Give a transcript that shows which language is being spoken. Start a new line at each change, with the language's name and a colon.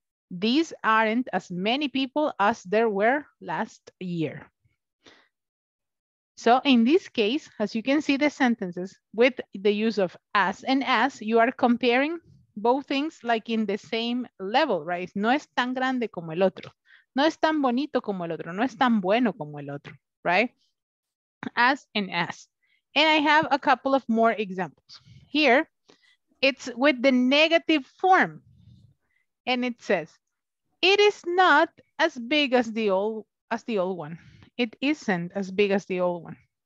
English: These aren't as many people as there were last year. So in this case, as you can see the sentences with the use of as and as, you are comparing both things like in the same level, right?
Spanish: No es tan grande como el otro. No es tan bonito como el otro. No es tan bueno como el otro, right?
English: As and as. And I have a couple of more examples. Here, it's with the negative form. And it says, it is not as big as the old one. It isn't as big as the old one.